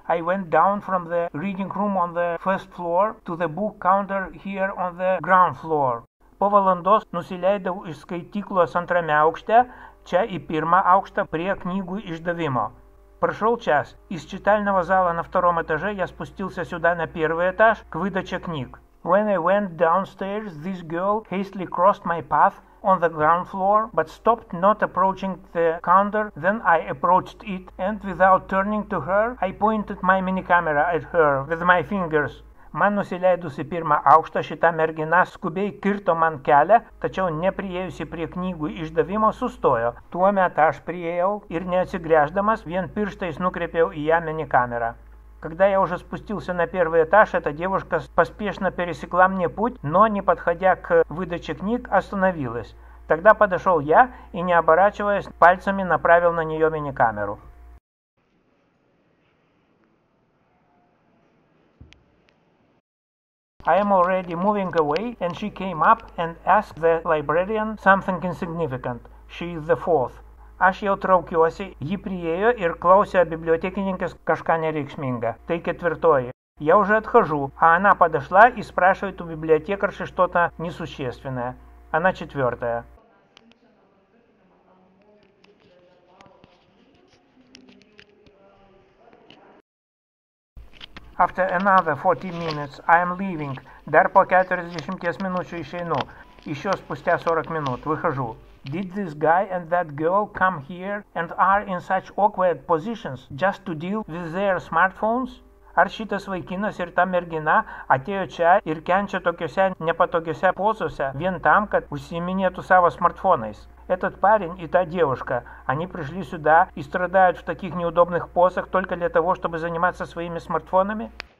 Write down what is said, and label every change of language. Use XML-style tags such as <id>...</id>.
<en>I went down from the reading room on the first floor to the book counter here on the ground floor.</en> <lt>Po valandos nusileidau iš skaityklos antrame aukšte, čia į pirmą aukštą prie knygų išdavimo.</lt> <ru>Прошел час. Из читального зала на втором этаже я спустился сюда на первый этаж к выдаче книг.</ru> <en>When I went downstairs, this girl hastily crossed my path on the ground floor, but stopped not approaching the counter. Then I approached it, and without turning to her, I pointed my mini-camera at her with my fingers.</en> <lt>Man nusileidus į pirmą aukštą, šita mergina skubiai kirto man kelią, tačiau nepriėjusi prie knygų išdavimo sustojo. Tuomet aš priėjau ir neatsigrėždamas, vien pirštais nukreipiau į ją mini-kamerą.</lt> <ru>Когда я уже спустился на первый этаж, эта девушка поспешно пересекла мне путь, но, не подходя к выдаче книг, остановилась. Тогда подошел я и, не оборачиваясь, пальцами направил на нее мини-камеру.</ru> <en>I am already moving away, and she came up and asked the librarian something insignificant. She is the fourth.</en> <lt>Aš jau traukiuosi, ji priėjo ir klausė bibliotekininkės kažką nereikšmingą. Tai ketvirtoji.</lt> <ru>Я уже отхожу, а она подошла и спрашивает у библиотекарши что-то несущественное. Она четвертая.</ru> <en>After another 40 minutes, I am leaving.</en> <lt>Dar po 40 minučių išeinu.</lt> <ru>Еще спустя 40 минут выхожу.</ru> <en>Did this guy and that girl come here and are in such awkward positions just to deal with their smartphones?</en> <lt>Ar šitas vaikinas ir ta mergina atėjo čia ir kenčia tokiose nepatogiose pozose vien tam, kad užsiminėtų savo smartfonais?</lt> <ru>Этот парень и та девушка, они пришли сюда и страдают в таких неудобных позах только для того, чтобы заниматься своими смартфонами?</ru>